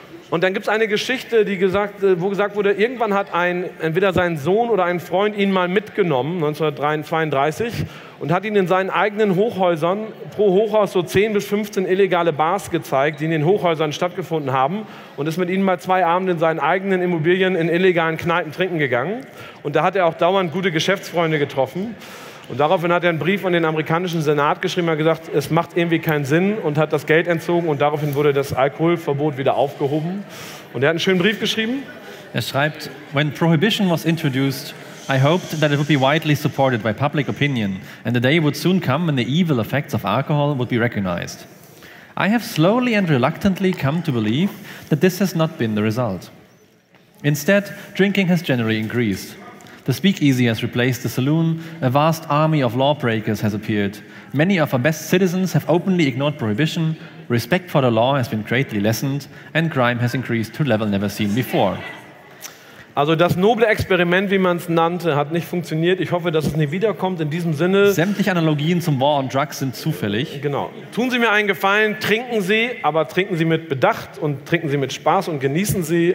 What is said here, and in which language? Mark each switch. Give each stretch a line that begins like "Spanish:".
German: Und dann gibt es eine Geschichte, wo gesagt wurde, irgendwann hat entweder sein Sohn oder ein Freund ihn mal mitgenommen, 1932, und hat ihn in seinen eigenen Hochhäusern pro Hochhaus so 10 bis 15 illegale Bars gezeigt, die in den Hochhäusern stattgefunden haben, und ist mit ihnen mal 2 Abende in seinen eigenen Immobilien in illegalen Kneipen trinken gegangen. Und da hat er auch dauernd gute Geschäftsfreunde getroffen. Und daraufhin hat er einen Brief an den amerikanischen Senat geschrieben, hat gesagt, es macht irgendwie keinen Sinn, und hat das Geld entzogen, und daraufhin wurde das Alkoholverbot wieder aufgehoben. Und er hat einen schönen Brief geschrieben. Er schreibt,
English: when prohibition was introduced, I hoped that it would be widely supported by public opinion and the day would soon come when the evil effects of alcohol would be recognized. I have slowly and reluctantly come to believe that this has not been the result. Instead, drinking has generally increased. The speakeasy has replaced the saloon, a vast army of lawbreakers has appeared. Many of our best citizens have openly ignored prohibition, respect for the law has been greatly lessened, and crime has increased to a level never seen before.
German: Also das noble Experiment, wie man es nannte, hat nicht funktioniert. Ich hoffe, dass es nie wiederkommt. In diesem Sinne. Sämtliche Analogien zum War on Drugs sind zufällig. Genau. Tun Sie mir einen Gefallen, trinken Sie, aber trinken Sie mit Bedacht und trinken Sie mit Spaß und genießen Sie.